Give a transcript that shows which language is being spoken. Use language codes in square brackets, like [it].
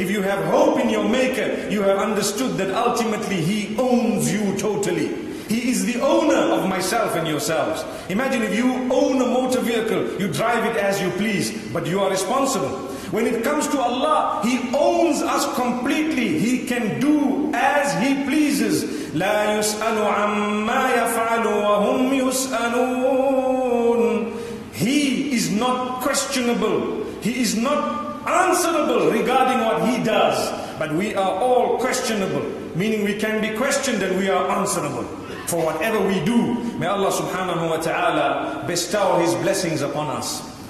[en] If you have hope in your Maker, you have understood that ultimately He owns you totally. He is the owner of myself and yourselves. Imagine if you own a motor vehicle, you drive it as you please, but you are responsible. When it comes to Allah, He owns us completely. He can do as He pleases. [ar] لا يسأل عما يفعل وهم يسألون. [en] He is not questionable. He is not answerable regarding what He does. But we are all questionable, meaning we can be questioned and we are answerable for whatever we do. May Allah subhanahu wa ta'ala bestow His blessings upon us.